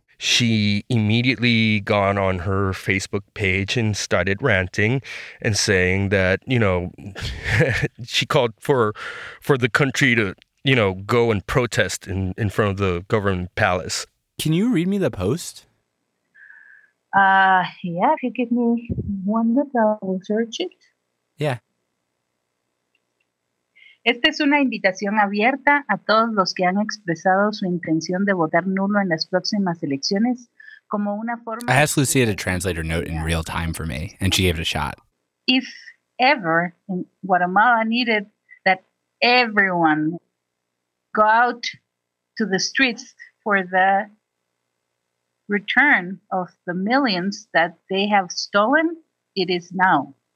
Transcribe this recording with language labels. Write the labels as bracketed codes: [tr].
[en] She immediately gone on her Facebook page and started ranting and saying that, you know, she called for the country to, you know, go and protest in front of the government palace. Can you read me the post? Yeah, if you give me 1 minute, I will search it. Yeah. [es] Esta es una invitación abierta a todos los que han expresado su intención de votar nulo en las próximas elecciones como una forma. [en] I asked Lucia to translate her note in real time for me, and she gave it a shot. If ever Guatemala needed that everyone go out to the streets for the return of the millions that they have stolen, it is now.